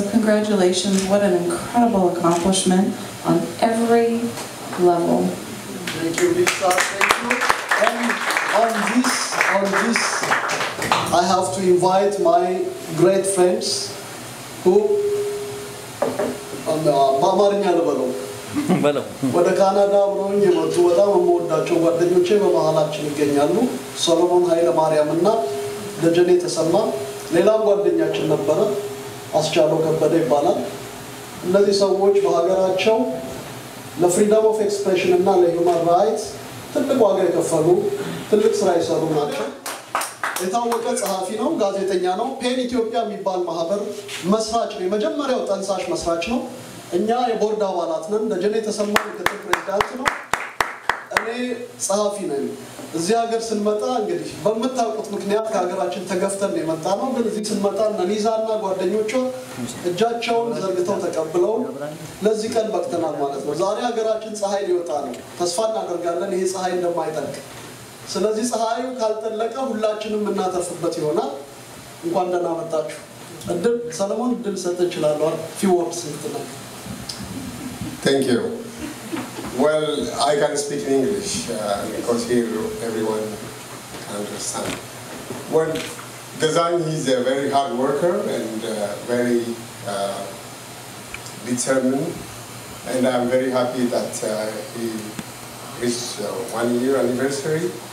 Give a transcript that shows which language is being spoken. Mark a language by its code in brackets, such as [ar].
[en] So congratulations, what an incredible accomplishment on every level. Thank you, Lisa. Thank you. And on this, I have to invite my great friends who [am] በአማርኛ ልበለው በለው ወደ ካናዳ ብሮን የመጡ በጣም የምወዳቸው ጓደኞቼ በመሃላችን ይገኛሉ። ሰሎሞን ኃይለ ማርያም እና ደጀኔ ተሰማ። ሌላም ጓደኛችን ነበረ፣ አስቻለው ከበደ ይባላል። እነዚህ ሰዎች በሀገራቸው ለፍሪደም ኦፍ ኤክስፕሬሽን እና ለሂውማን ራይትስ ትልቅ ዋጋ የከፈሉ ትልቅ ስራ የሰሩ ናቸው። የታወቀ ጸሐፊ ነው፣ ጋዜጠኛ ነው። ፔን ኢትዮጵያ የሚባል ማህበር መስራች ነው፣ የመጀመሪያው ጠንሳሽ መስራች ነው። እኛ የቦርድ አባላት ነን። ደጀኔ የተሰማ ምክትል ፕሬዚዳንት ነው። እኔ ጸሐፊ ነኝ። እዚህ ሀገር ስንመጣ እንግዲህ በምታውቁት ምክንያት ከሀገራችን ተገፍተን የመጣ ነው። ግን እዚህ ስንመጣ ነኒዛና ጓደኞቿ እጃቸውን ዘርግተው ተቀብለውን ለዚህ ቀን በቅተናል ማለት ነው። ዛሬ ሀገራችን ፀሐይ ሊወጣ ነው። ተስፋ እናደርጋለን ይሄ ፀሐይ እንደማይጠልቅ። ስለዚህ ፀሐዩ ካልጠለቀ ሁላችንም እናተርፍበት ይሆናል። እንኳን ደህና መጣችሁ። እድል ሰለሞን እድል ሰጥ እችላለሁ ፊወርድ ስንትላል። [en] Thank you. Well, I can speak in English because here everyone understands. Well, Gazan is a very hard worker and very determined. And I'm very happy that he reached 1 year anniversary.